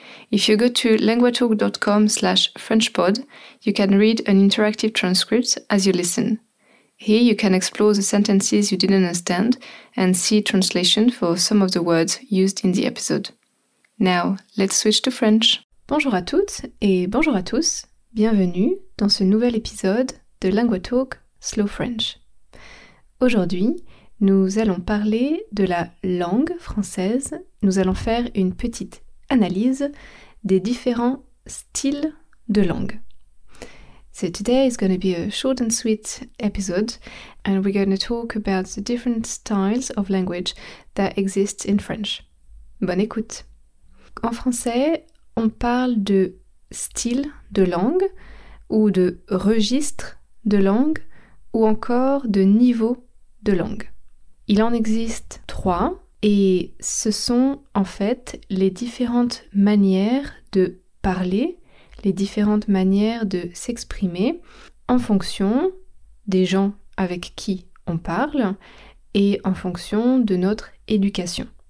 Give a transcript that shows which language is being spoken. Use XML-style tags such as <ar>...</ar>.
<en>If you go to languagetalk.com/frenchpod, you can read an interactive transcript as you listen. Here you can explore the sentences you didn't understand and see translation for some of the words used in the episode. Now, let's switch to French.</en> <fr>Bonjour à toutes et bonjour à tous. Bienvenue dans ce nouvel épisode de Langue Talk Slow French. Aujourd'hui, nous allons parler de la langue française. Nous allons faire une petite analyse des différents styles de langue.</fr> <en>So today is going to be a short and sweet episode, and we're going to talk about the different styles of language that exist in French.</en> <fr>Bonne écoute. En français, on parle de style de langue ou de registre de langue ou encore de niveau de langue. Il en existe trois et ce sont en fait les différentes manières de parler, les différentes manières de s'exprimer en fonction des gens avec qui on parle et en fonction de notre éducation.</fr>